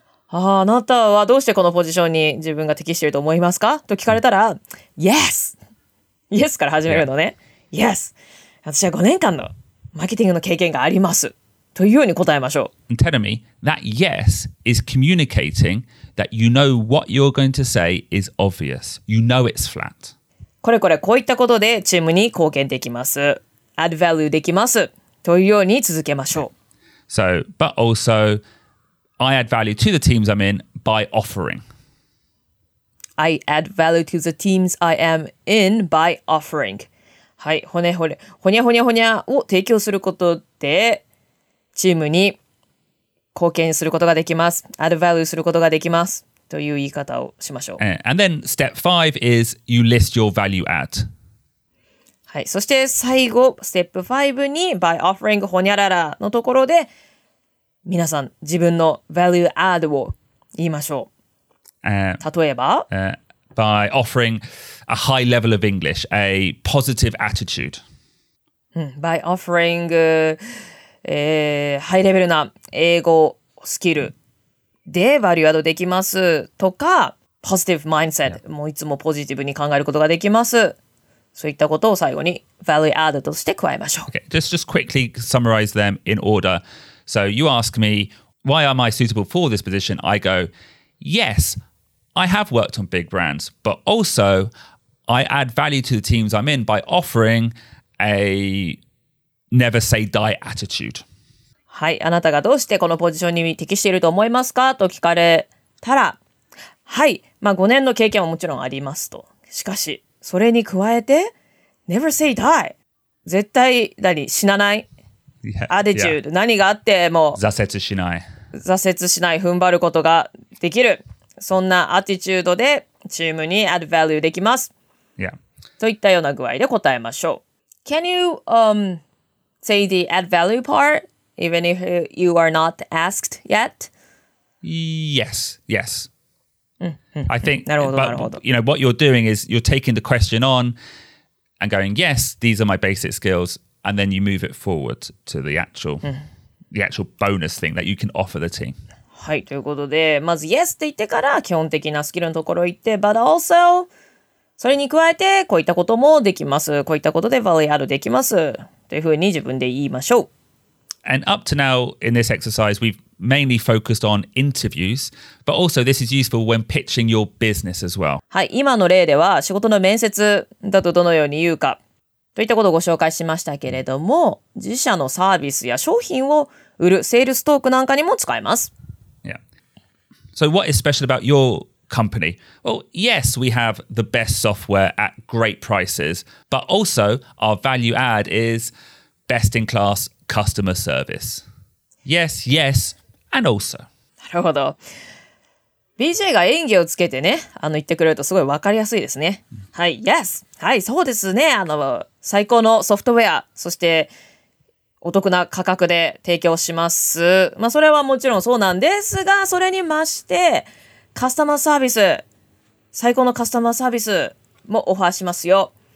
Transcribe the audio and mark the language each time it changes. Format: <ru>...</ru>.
<ja>あなたはどうしてこのポジションに自分が適していると思いますか? と聞かれたら、</ja> <en>yes! Yes</en> <ja>から始めるのね。Yeah. Yes! 私は5年間のマーケティングの経験があります。というように答えましょう。</ja> <en>And tell me, that yes is communicating that you know what you're going to say is obvious. You know it's flat.</en> <ja>これこれこういったことでチームに貢献できます。 Add value できます。というように続けましょう。</ja> <en>So, but also, I add value to the teams I'm in by offering. I add value to the teams I am in by offering.</en> <ja>はい、ほねほね、ほにゃほにゃほにゃを提供することで、チームに貢献することができます。 Add value することができます。という言い方をしましょう。</ja> <en>And then step 5 is you list your value add.</en> <ja>はい。そして最後、ステップ5に</ja> <en>by offering</en> <ja>ほにゃららのところで皆さん自分の value add を言いましょう。例えば、</ja> <en>by offering a high level of English, a positive attitude. By offering...</en> <ja>ハイレベルな英語スキルでバリューアドできますとか、ポジティブマインドセット、もういつもポジティブに考えることができます。そういったことを最後に、バリューアドとして加えましょう。</ja> <en>Okay, just quickly summarize them in order. So you ask me, why am I suitable for this position? I go, yes, I have worked on big brands, but also I add value to the teams I'm in by offering aNever say die attitude.</en> <ja>はい、あなたがどうしてこのポジションに適していると思いますかと聞かれたら、はい、まあ5年の経験はもちろんありますと。しかし、それに加えて、</ja> <en>never say die!</en> <ja>絶対、何、死なない。アディチュード、何があっても、挫折しない。挫折しない、踏ん張ることができる。そんなアティチュードでチームに add value できます。</ja> <en>Yeah.</en> <ja>といったような具合で答えましょう。</ja> <en>Can you, say the add value part, even if you are not asked yet? Yes, yes. I think, but, you know, what you're doing is you're taking the question on and going, yes, these are my basic skills, and then you move it forward to the actual, the actual bonus thing that you can offer the team.</en> <ja>はい、ということで、まず Yes って言ってから基本的なスキルのところ行って、</ja> <en>But also、</en> <ja>それに加えてこういったこともできます。こういったことで Value add できます。というふうに自分で言いましょう。</ja> <en>And up to now in this exercise, we've mainly focused on interviews, but also this is useful when pitching your business as well.</en> <ja>はい、今の例では仕事の面接だとどのように言うかといったことをご紹介しましたけれども、自社のサービスや商品を売るセールストークなんかにも使えます。</ja> <en>So what is special about your company? Well, yes, we have the best software at great prices, but also our value add is best in class customer service. Yes, yes, and also.</en> <ja>なるほど。 BJ が演技をつけてね、言ってくれるとすごいわかりやすいですね。はい、yes. はい、そうですね。最高のソフトウェア、そしてお得な価格で提供します。まあ、それはもちろんそうなんですが、それに増して、カスタマーサービス、最高のカスタマーサービスもオファーしますよ。</ja>